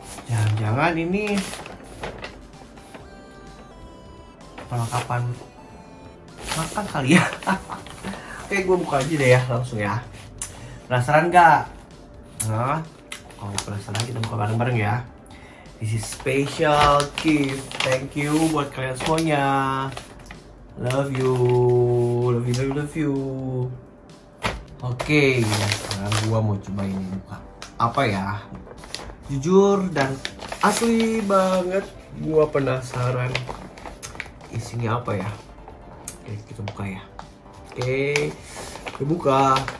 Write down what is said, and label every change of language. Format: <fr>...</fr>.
<id>Jangan-jangan ini perlengkapan makan kali ya. Oke, gue buka aja deh ya, langsung ya. Penasaran gak? Nah, kalau penasaran kita buka bareng-bareng ya.</id> <en>This is special gift. Thank you</en> <id>buat kalian semuanya.</id> <en>Love you, love you, love you, love you.</en> <id>Oke, sekarang gua mau coba ini buka. Apa ya? Jujur dan asli banget, gua penasaran isinya apa ya. Oke, kita buka ya. Oke, kita buka.</id>